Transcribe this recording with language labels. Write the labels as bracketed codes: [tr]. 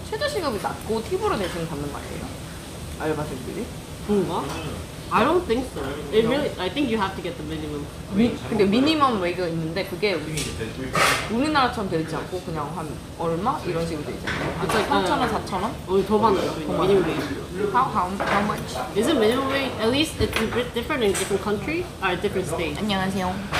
[ko] 최저 시급이 낮고 팁으로 대신 받는 거 아니에요? 알바생들이? 그런가? [en] I don't think so. It really, I think you have to get the minimum. [ko] 근데 미니멈 웨이가 있는데 그게 우리나라처럼 되지 않고 그냥 한 얼마 이런 식으로 되지 않아요? 그래서 3,000원, 4,000원? 우리 더 받는 미니멈 웨이지. [en] How much? Is it minimum wage? At least it's a bit different in different country or different state. [ko] 안녕하세요.